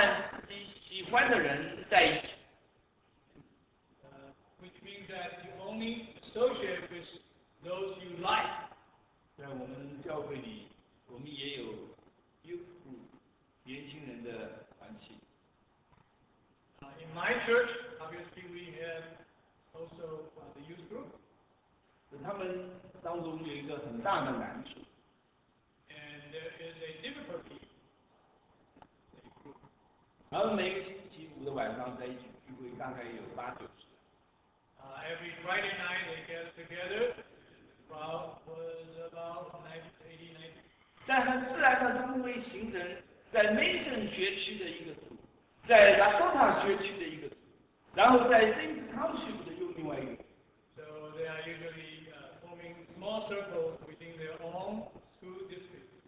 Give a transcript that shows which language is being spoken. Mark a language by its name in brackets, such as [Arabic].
[Chinese] 所谓跌倒，就是和自己喜欢的人在一起。 [English] Which means that you only associate with those you like. [Chinese] 在我们教会里，我们也有 youth group 年轻人的团契。 [English] In my church, obviously we have also the youth group. [Chinese] 他们当中有一个很大的难处。 [English] And there is a difficulty. [Chinese] 他们每个星期五的晚上在一起聚会，大概有8-9人。 [English] Every Friday night they get together. About 1989. [Chinese] 但很自然的，他们会形成在Mason学区的一个组，在 Lakota 学区的一个组，然后在 Saint Township 的又另外一个。 [English] So they are usually forming small circles within their own school district.